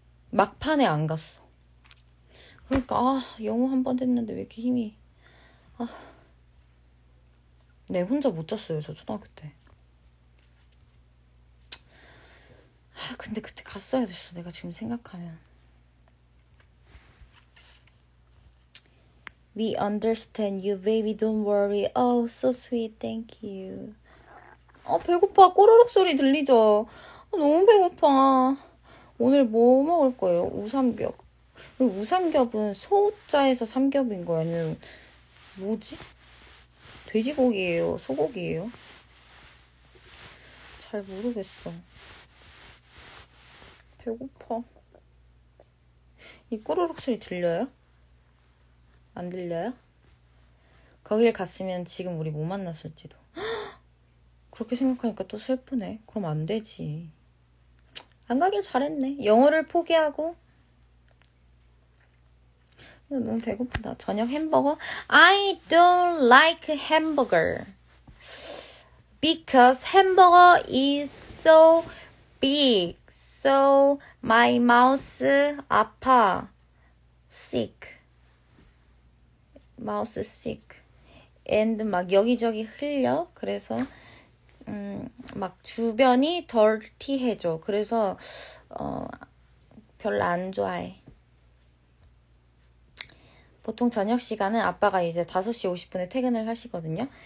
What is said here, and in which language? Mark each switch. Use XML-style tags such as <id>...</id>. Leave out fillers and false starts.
<ko>막판에 안 갔어. 그러니까, 영어 한번 했는데 왜 이렇게 힘이. 네, 혼자 못 잤어요, 저 초등학교 때. 근데 그때 갔어야 됐어, 내가 지금 생각하면.</ko> <en>We understand you, baby, don't worry. Oh, so sweet, thank you.</en> <ko>배고파, 꼬르륵 소리 들리죠? 너무 배고파. 오늘 뭐 먹을 거예요? 우삼겹. 우삼겹은 소자에서 삼겹인 거야, 아니면 뭐지? 돼지고기예요? 소고기예요? 잘 모르겠어. 배고파. 이 꾸르륵 소리 들려요? 안 들려요? 거길 갔으면 지금 우리 못 만났을지도. 그렇게 생각하니까 또 슬프네. 그럼 안 되지. 안 가길 잘했네. 영어를 포기하고. 너무 배고프다. 저녁 햄버거?</ko> <en>I don't like hamburger. Because hamburger is so big. So my mouth</en> <ko>아파.</ko> <en>Sick. Mouth sick.</en> <ko>And 막 여기저기 흘려. 그래서 막 주변이 덜티해져. 그래서 별로 안 좋아해. 보통 저녁 시간은 아빠가 이제 5시 50분에 퇴근을 하시거든요.</ko>